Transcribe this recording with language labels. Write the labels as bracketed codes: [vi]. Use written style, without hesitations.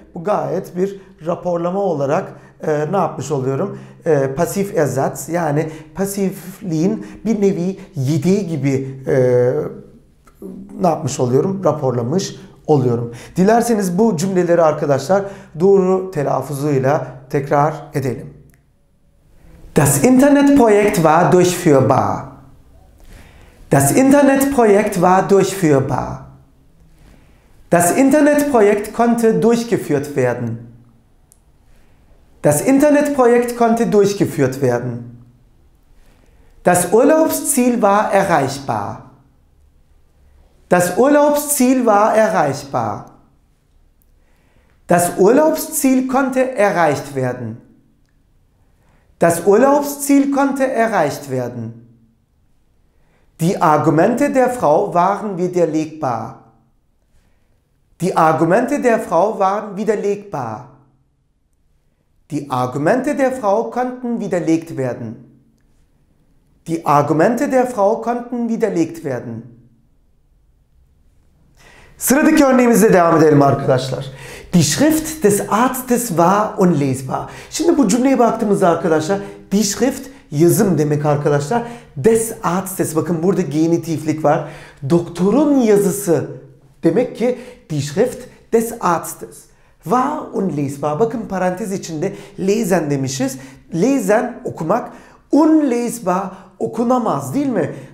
[tr] Bu gayet bir raporlama olarak ne yapmış oluyorum? Pasif ersatz, yani pasifliğin bir nevi yediği gibi ne yapmış oluyorum? Raporlamış oluyorum. Dilerseniz bu cümleleri arkadaşlar doğru telaffuzuyla tekrar edelim. [de] Das Internetprojekt war durchführbar. Das Internetprojekt war durchführbar. Das Internetprojekt konnte durchgeführt werden. Das Internetprojekt konnte durchgeführt werden. Das Urlaubsziel war erreichbar. Das Urlaubsziel war erreichbar. Das Urlaubsziel konnte erreicht werden. Das Urlaubsziel konnte erreicht werden. Die Argumente der Frau waren widerlegbar. Die Argumente der Frau waren widerlegbar. Die Argumente der Frau konnten widerlegt werden. Die Argumente der Frau konnten widerlegt werden. [tr] Sıradaki örneğimizle devam edelim arkadaşlar. [de] Die Schrift des Arztes war unlesbar. [tr] Şimdi bu cümleye baktığımızda arkadaşlar, [de] die Schrift [tr] yazım demek arkadaşlar. [de] Des Arztes, [tr] bakın burada genitiflik var. Doktorun yazısı demek ki [de] die Schrift des Arztes war unlesbar. [tr] Bakın parantez içinde lesen demişiz. Lesen okumak, unlesbar okunamaz değil mi?